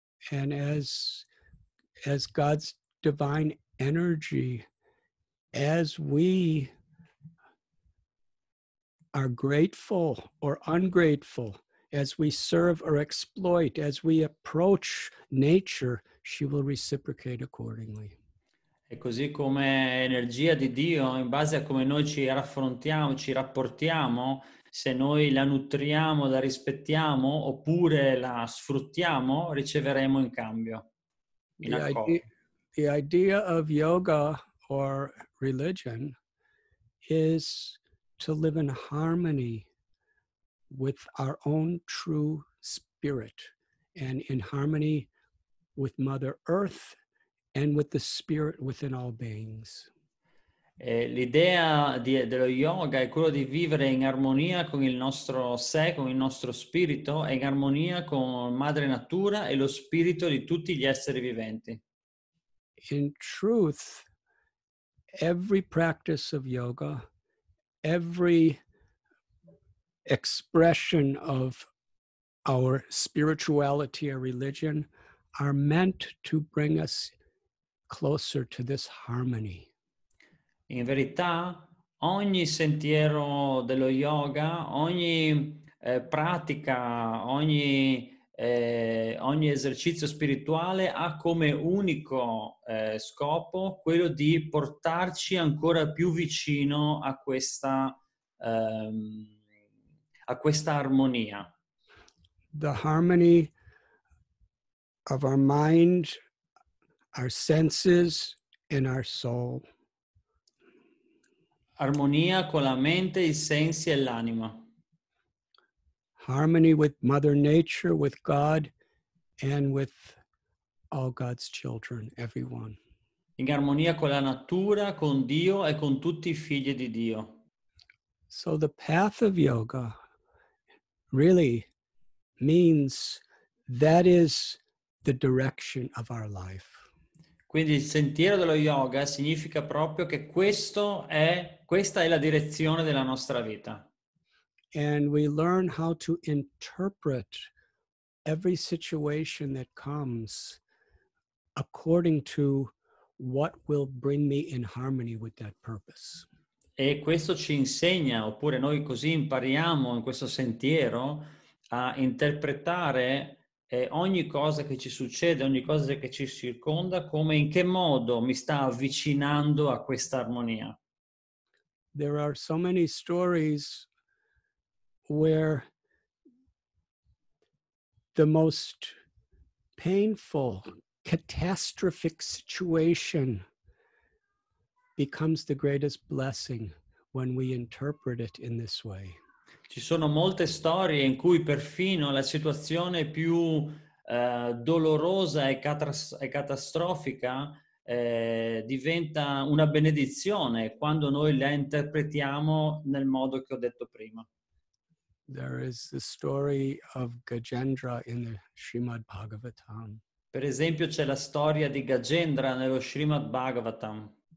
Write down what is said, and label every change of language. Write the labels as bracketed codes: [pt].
[en] And as God's divine energy, as we are grateful or ungrateful, as we serve or exploit, as we approach nature, she will reciprocate accordingly. [it] E così come energia di Dio, in base a come noi ci raffrontiamo, ci rapportiamo, se noi la nutriamo, la rispettiamo, oppure la sfruttiamo, riceveremo in cambio. [en] The idea of yoga or religion is to live in harmony with our own true spirit, and in harmony with Mother Earth and with the spirit within all beings. [it] L'idea dello yoga è quello di vivere in armonia con il nostro sé, con il nostro spirito, e in armonia con Madre Natura e lo spirito di tutti gli esseri viventi. [en] In truth, every practice of yoga, every expression of our spirituality or religion are meant to bring us closer to this harmony. [it] In verità, ogni sentiero dello yoga, ogni pratica, ogni esercizio spirituale ha come unico scopo quello di portarci ancora più vicino a questa armonia. [en] The harmony of our mind, our senses, and our soul. [it] Armonia con la mente, i sensi e l'anima. [en] Harmony with Mother Nature, with God, and with all God's children, everyone. [it] In armonia con la natura, con Dio e con tutti i figli di Dio. [en] So the path of yoga really means that is the direction of our life. [it] Quindi il sentiero dello yoga significa proprio che questa è la direzione della nostra vita. [en] And we learn how to interpret every situation that comes according to what will bring me in harmony with that purpose. [it] E questo ci insegna, oppure noi così impariamo in questo sentiero, a interpretare ogni cosa che ci succede, ogni cosa che ci circonda, come in che modo mi sta avvicinando a questa armonia. [en] There are so many stories where the most painful, catastrophic situation becomes the greatest blessing when we interpret it in this way. [it] Ci sono molte storie in cui perfino la situazione più dolorosa e catastrofica diventa una benedizione quando noi la interpretiamo nel modo che ho detto prima. [en] There is the story of Gajendra in the Srimad Bhagavatam. [it] Per esempio, c'è la storia di Gajendra nello Srimad Bhagavatam.